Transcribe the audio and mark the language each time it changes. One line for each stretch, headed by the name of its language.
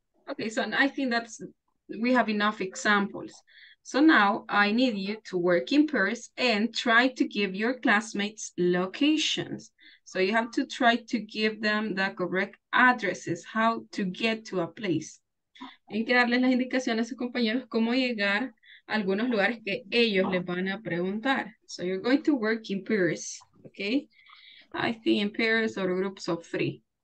English: Okay, so I think that's, we have enough examples. So now I need you to work in pairs and try to give your classmates locations. So you have to try to give them the correct addresses, how to get to a place.
Spanish: Tienen que darles las indicaciones a sus compañeros cómo llegar a algunos lugares que ellos les van a preguntar.
English: So you're going to work in pairs, okay? I think in pairs or groups of three.